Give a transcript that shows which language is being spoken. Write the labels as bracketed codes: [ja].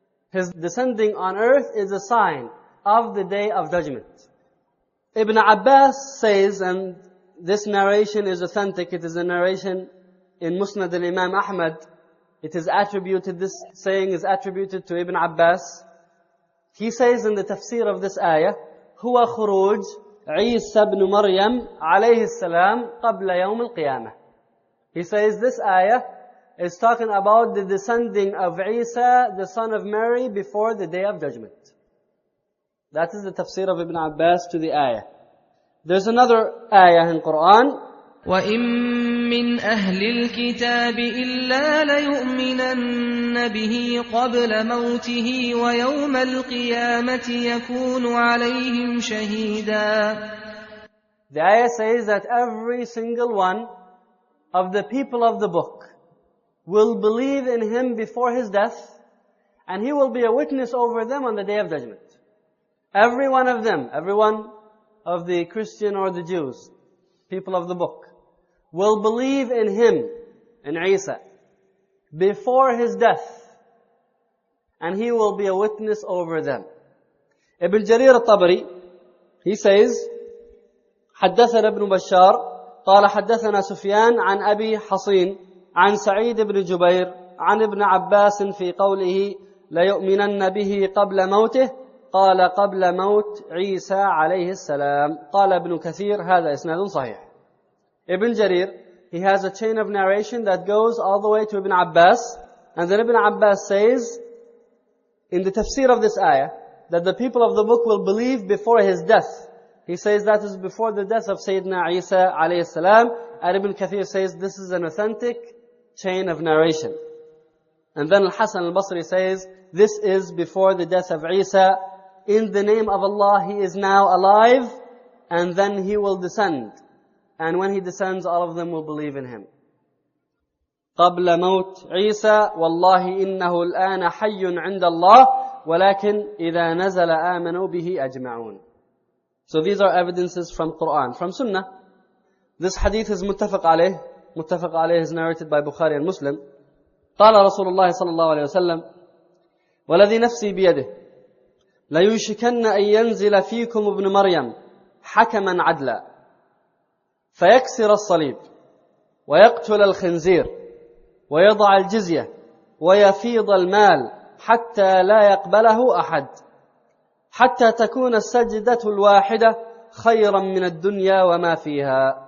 [en] His descending on earth is a sign of the day of judgment. Ibn Abbas says, and this narration is authentic, it is a narration in Musnad al-Imam Ahmad, it is attributed, this saying is attributed to Ibn Abbas. He says in the tafsir of this ayah, [ar] هُوَ خُرُوج عِيسَى بْنُ مَرْيَمْ عَلَيْهِ السَّلَامِ قَبْلَ يَوْمِ الْقِيَامَةِ. [en] He says this ayah is talking about the descending of Isa, the son of Mary, before the day of judgment. That is the tafsir of Ibn Abbas to the ayah. There's another ayah in Quran. [ar] وَإِن مِّنْ أَهْلِ الْكِتَابِ إِلَّا لَيُؤْمِنَنَّ بِهِ قَبْلَ مَوْتِهِ وَيَوْمَ الْقِيَامَةِ يَكُونُ عَلَيْهِمْ شَهِيدًا. [en] The ayah says that every single one of the people of the book will believe in him before his death, and he will be a witness over them on the day of judgment. Every one of them, every one of the Christian or the Jews, people of the book, will believe in him, in Isa, before his death, and he will be a witness over them. [ar] Ibn Jarir al-Tabari, [en] he says, [ar] حدثنا ابن بشار قال حدثنا سفيان عن أبي حصين عن سعيد بن جبير عن ابن عباس في قوله ليؤمنن به قبل موته قال قبل موت عيسى عليه السلام. قال ابن كثير هذا إسناد صحيح. [en] Ibn Jarir, he has a chain of narration that goes all the way to Ibn Abbas, and then Ibn Abbas says in the tafsir of this ayah that the people of the book will believe before his death. He says that is before the death of Sayyidina Isa alayhi salam, and Ibn Kathir says this is an authentic chain of narration. And then Al-Hasan al-Basri says this is before the death of Isa. In the name of Allah, he is now alive, and then he will descend. And when he descends, all of them will believe in him. [ar] قَبْلَ مَوْتْ عِيسَى وَاللَّهِ إِنَّهُ الْآنَ حَيٌّ عِنْدَ اللَّهِ وَلَكِنْ إِذَا نَزَلَ آمَنُوا بِهِ أَجْمَعُونَ. [en] So these are evidences from Quran, from Sunnah. This hadith is muttafaq alayh. Muttafaq alayh is narrated by Bukhari and Muslim. [ar] قال رسول الله صلى الله عليه وسلم وَلَذِي نَفْسِي بِيَدِهِ لَيُشِكَنَّ أَن يَنزِلَ فِيكُمْ ابْنُ مَرْيَمْ حَكَمًا عَدْلًا فيكسر الصليب ويقتل الخنزير ويضع الجزية ويفيض المال حتى لا يقبله أحد حتى تكون السجدة الواحدة خيرا من الدنيا وما فيها.